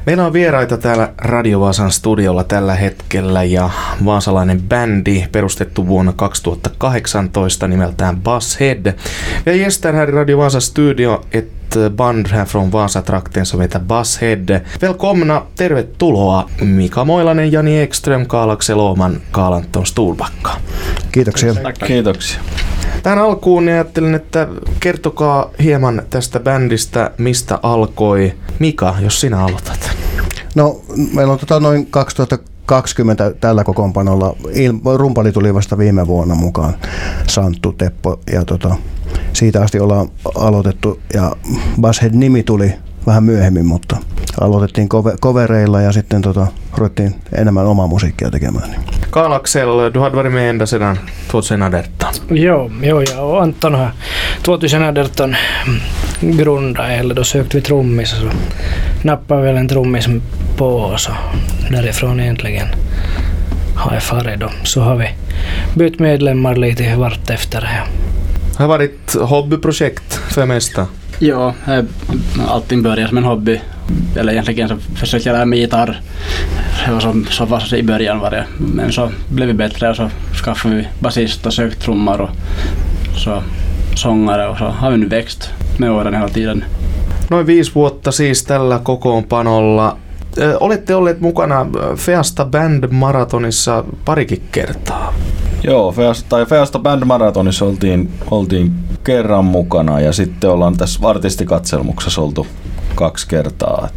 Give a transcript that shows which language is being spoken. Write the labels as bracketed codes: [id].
[fi] Meillä on vieraita täällä Radio Vaasan studiolla tällä hetkellä ja vaasalainen bändi perustettu vuonna 2018 nimeltään Buzzhead. [sv] Ja yesterday Radio Vaasan studio et band här från Vaasa trakten som heter Buzzhead. Välkomna, [fi] tervetuloa Mika Moilanen, Jani Ekström, Kaalaksel Oman, Kaalanton Sturbacka. Kiitoksia. Kiitoksia. Tähän alkuun ajattelin, että kertokaa hieman tästä bändistä, mistä alkoi. Mika, jos sinä aloitat. No, meillä on noin 2020 tällä kokoonpanolla. Rumpali tuli vasta viime vuonna mukaan, Santtu, Teppo. Ja siitä asti ollaan aloitettu. Ja Buzzhead-nimi tuli vähän myöhemmin, mutta aloitettiin kovereilla ja sitten ruvettiin enemmän omaa musiikkia tekemään. Niin. [sv] Kaalaksel, du har varit med ända sedan 2018. Jo, jag och Anton har 2018 grundat, eller då sökte vi trummis och så nappade väl en trummis på oss och därifrån egentligen har jag farit då. Så har vi bytt medlemmar lite vart efter det. Det har varit hobbyprojekt för det mesta. Ja, allting började som en hobby. Eller egentligen så försökte jag lära mig gitarr. Det var så fast i början var det. Men så blev vi bättre och så skaffade vi basist och sökt trummar och så sångare. Och så har vi nu växt med åren hela tiden. [fi] Noin 5 vuotta siis tällä kokoonpanolla. Olette olleet mukana Feasta Band Marathonissa parikin kertaa. Joo, Feasta Band Marathonissa oltiin kerran mukana ja sitten ollaan tässä artistikatselmuksessa oltu 2 kertaa.